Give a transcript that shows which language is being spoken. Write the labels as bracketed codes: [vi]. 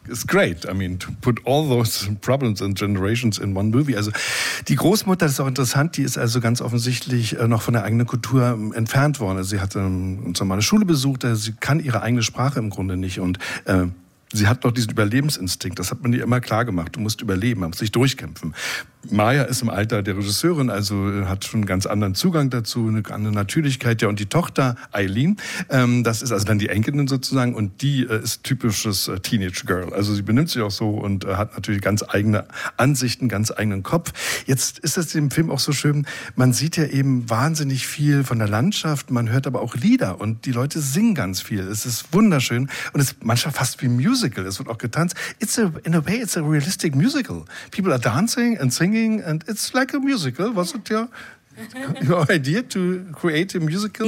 [en] It's great, I mean, to put all those problems and generations in one movie. [de] Also die Großmutter ist auch interessant, die ist also ganz offensichtlich noch von der eigenen Kultur entfernt worden. Also sie hat eine Schule besucht, also sie kann ihre eigene Sprache im Grunde nicht, und sie hat doch diesen Überlebensinstinkt, das hat man ihr immer klar gemacht. Du musst überleben, man muss sich durchkämpfen. Maya ist im Alter der Regisseurin, also hat schon einen ganz anderen Zugang dazu, eine andere Natürlichkeit. Ja, und die Tochter Eileen, das ist also dann die Enkelin sozusagen, und die ist typisches Teenage Girl. Also sie benimmt sich auch so und hat natürlich ganz eigene Ansichten, ganz eigenen Kopf. Jetzt ist das im Film auch so schön, man sieht ja eben wahnsinnig viel von der Landschaft, man hört aber auch Lieder und die Leute singen ganz viel. Es ist wunderschön und es ist manchmal fast wie Musical. Es wird auch getanzt. [en] It's a realistic musical. People are dancing and singing, and it's like a musical. Was it your idea to create a musical?